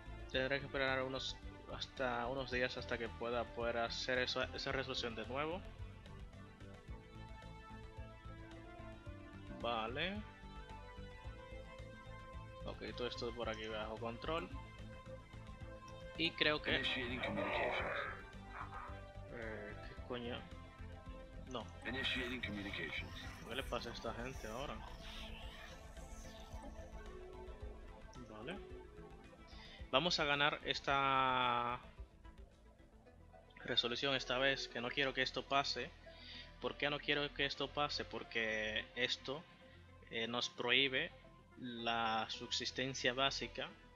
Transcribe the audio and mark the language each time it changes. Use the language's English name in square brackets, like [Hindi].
[Spanish] Tendré que esperar unos días hasta que pueda poder hacer eso, esa resolución de nuevo. Vale. Ok, todo esto por aquí bajo control. Y creo que. [English] Initiating communications. [Spanish] ¿Qué coño? No. [English] Initiating communications. [Spanish] ¿Qué le pasa a esta gente ahora? Vale. Vamos a ganar esta resolución esta vez, que no quiero que esto pase. ¿Por qué no quiero que esto pase? Porque esto nos prohíbe la subsistencia básica.